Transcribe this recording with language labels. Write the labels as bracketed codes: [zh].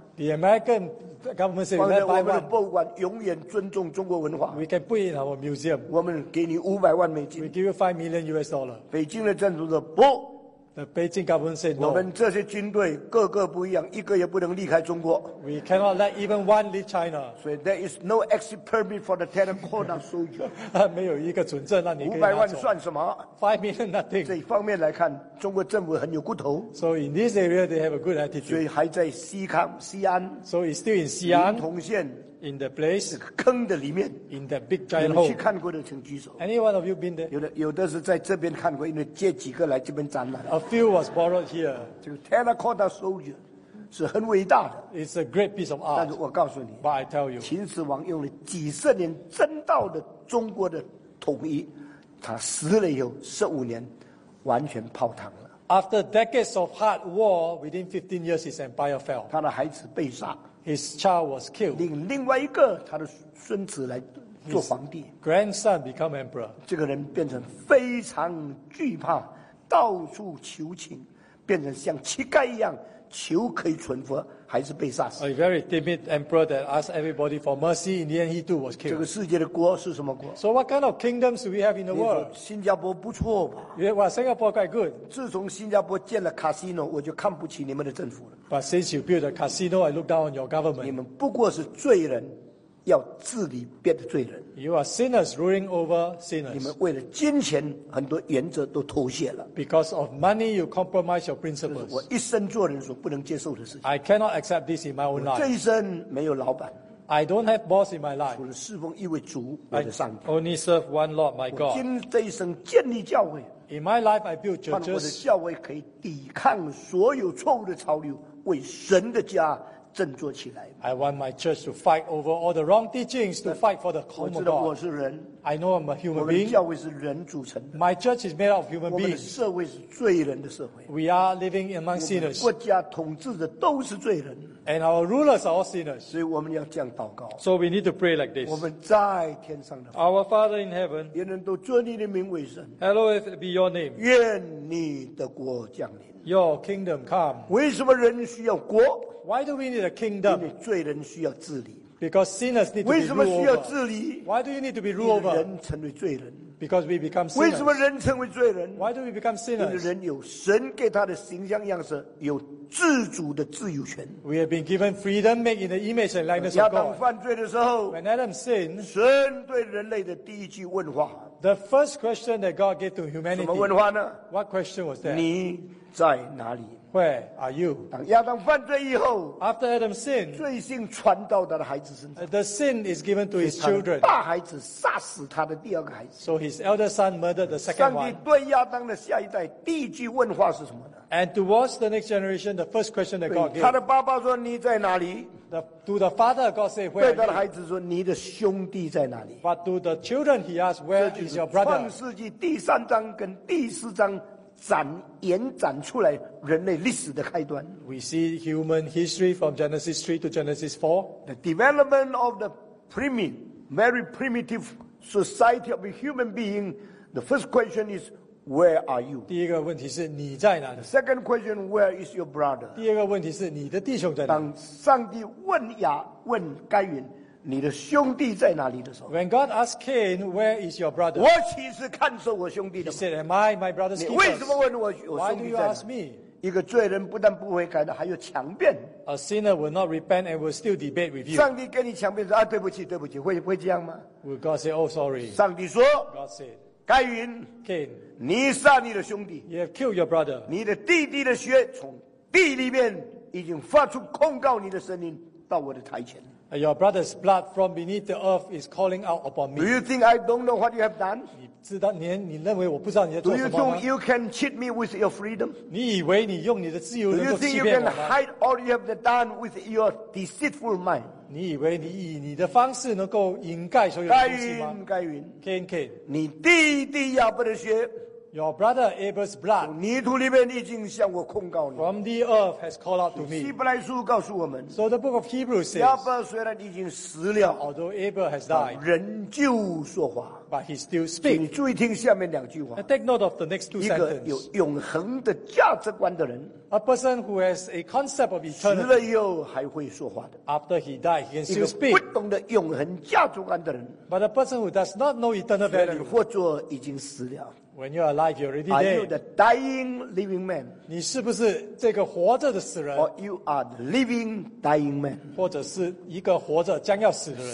[en] ？The American government said, "Let's buy one." [zh] 我们的博物馆永远尊重中国文化。 [en] We can put in our museum. [zh] 我们给你$500,000。 [en] We give you $5 million. [zh] 北京的政府说不。 [en] The Beijing government said, "No." [zh] 我们这些军队个个不一样，一个也不能离开中国。 [en] We cannot let even one leave China. So there is no exit permit for the terracotta soldier. [zh] 没有一个准证让你可以拿走。 500万算什么 [en] ？$5 million nothing. [zh] 这一方面来看，中国政府很有骨头。 [en] So in this area, they have a good attitude. [zh] 所以还在西安。 [en] So it's still in 西安。 [zh] 临潼县。 [en] In the place, [zh] 坑的里面 [en] in that big giant hole. [zh] 有人去看过的请举手。 [en] Any one of you been there? [zh] 有的是在这边看过，因为借几个来这边展览。 [en] A few was borrowed here. [zh] 这个 terracotta soldier 是很伟大的。 [en] It's a great piece of art. [zh] 但是我告诉你 [en] ，But I tell you, [zh] 秦始皇用了几十年争到的中国的统一，他死了以后15年，完全泡汤了。 [en] After decades of hard war, within 15 years, his empire fell. [zh] 他的孩子被杀。 [en] His child was killed. [zh] 另外一个他的孙子来做皇帝。 [en] His、grandson become emperor. [zh] 这个人变成非常惧怕，到处求情，变成像乞丐一样求可以存活，还是被杀死。 [en] A very timid emperor that asked everybody for mercy. In the end, he too was killed. [zh] 这个世界的国是什么国 [en] ？So what kind of kingdoms do we have in the world? [zh] 新加坡不错吧 [en] ？Yeah, well, Singapore quite good. [zh] 自从新加坡建了 casino， 我就看不起你们的政府了。 [en] But since you built a casino, I look down on your government. [zh] 你们不过是罪人，要治理别的罪人。 [en] You are sinners ruling over sinners. [zh] 你们为了金钱，很多原则都妥协了。 [en] Because of money, you compromise your principles. [zh] 这是我一生做人所不能接受的事情。 [en] I cannot accept this in my own life. [zh] 我这一生没有老板。 [en] I don't have boss in my life. [zh] 除了侍奉一位主，我的上帝。 [en] I only serve one Lord, my God. [zh] 我今这一生建立教会。 [en] In my life, I build churches. [zh] 我的教会可以抵抗所有错误的潮流。为神的家振作起来。 [en] I want my church to fight over all the wrong teachings, to fight for the common God. [zh] 我知道我是人。 [en] I know I'm a human being. [zh] 我们教会是人组成的。 [en] My church is made of human beings. [zh] 我们的社会是罪人的社会。 [en] We are living among sinners. [zh] 国家统治的都是罪人。 [en] And our rulers are all sinners. [zh] 所以我们要这样祷告。 [en] So we need to pray like this. [zh] 我们在天上的。 [en] Our Father in heaven. [zh] 人人都尊你的名为神。 [en] Hallowed be your name. [zh] 愿你的国降临。 [en] Your kingdom come. [zh] 为什么人需要国？ [en] Why do we need a kingdom? [zh] 因为罪人需要治理。 [en] Because sinners need to be ruled over. [zh] 为什么需要治理？ [en] Why do you need to be ruled over? [zh] 人成为罪人。 [en] Because we become sinners. [zh] 为什么人成为罪人？ [en] Why do we become sinners? [zh] 因为人有神给他的形象样式，有自主的自由权。 [en] We have been given freedom, made in the image and likeness of God. [zh] 亚当犯罪的时候， [en] When Adam sinned, [zh] 神对人类的第一句问话， [en] The first question that God gave to humanity. [zh] 什么问话呢？ [en] What question was that? [zh] 你在哪里？ [en] Where are you? [zh] 当亚当犯罪以后， [en] After Adam sinned, [zh] 罪性传到他的孩子身上。 [en] The sin is given to his children. [zh] 大孩子杀死他的第二个孩子。 [en] So his elder son murdered the second one. [zh] 上帝对亚当的下一代第一句问话是什么呢？ [en] And towards the next generation, the first question that God gave. [zh] 他的爸爸说你在哪里？ [en] To the father, God said, where are you? [zh] 对他的孩子说你的兄弟在哪里？ [en] But to the children, he asked, where is your brother? [zh] 创世纪第三章跟第四章延展出来人类历史的开端。 [en] We see human history from Genesis 3 to Genesis 4. The development of the primitive, very primitive society of a human being. The first question is, where are you? [zh] 第一个问题是你在哪里？ [en] The second question, where is your brother? [zh] 第二个问题是你的弟兄在哪里？当上帝问亚问该隐，你的兄弟在哪里的时候？ [en] When God asked Cain, where is your brother? [zh] 我岂是看守我兄弟的？ [en] He said, am I my brother's keeper? [zh] 你为什么问我兄弟在哪？ [en] Why do you ask me? [zh] 一个罪人不但不悔改的，还有强辩。 [en] A sinner will not repent and will still debate with you. [zh] 上帝跟你强辩说啊，对不起，对不起，会这样吗？ [en] Will God say, oh, sorry? [zh] 上帝说， [en] God said, [zh] 该隐， [en] Cain, [zh] 你杀你的兄弟。 [en] You have killed your brother. [zh] 你的弟弟的血从地里面已经发出控告你的声音到我的台前。 [en] Your brother's blood from beneath the earth is calling out upon me. Do you think I don't know what you have done? [zh] 你知道你你认为我不知道你在做什么吗？ [en] Do you think you can cheat me with your freedom? [zh] 你以为你用你的自由能够欺骗我吗？ [en] Do you think you can hide all you have done with your deceitful mind? [zh] 你以为你以你的方式能够掩盖所有的东西吗？该隐，该隐， [en] Cain, [zh] 你弟弟亚伯的血。 [en] Your brother Abel's blood. [zh] 泥土里面已经向我控告你。 [en] From the earth has called out to me. [zh] 希伯来书告诉我们。 [en] So the book of Hebrews says. [zh] 亚伯虽然已经死了。 [en] Although Abel has died. [zh] 人就说话。 [en] But he still speaks. [zh] 你注意听下面两句话。 [en] Take note of the next two sentences. [zh] 一个有永恒的价值观的人。 [en] A person who has a concept of eternity. [zh] 死了以后还会说话的。 [en] After he died, he can still speak. [zh] 一个不懂得永恒价值观的人。 [en] But a person who does not know eternal value. [zh] 或者已经死了。 [en] When you are alive, you're already dead. Are you the dying living man? [zh] 你是不是这个活着的死人？ [en] Or you are the living dying man? [zh] 或者是一个活着将要死的人？